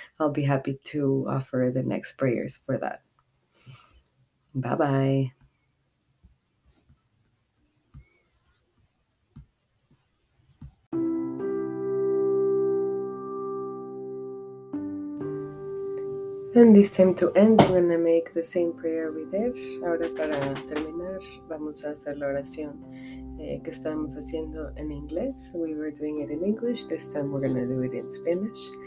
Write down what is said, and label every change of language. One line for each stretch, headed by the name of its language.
English: I'll be happy to offer the next prayers for that. Bye bye. And this time to end, I'm going to make the same prayer we did.
Spanish: Ahora para terminar, vamos a hacer la oración que estamos haciendo en inglés.
English: We were doing it in English. This time we're going to do it in Spanish.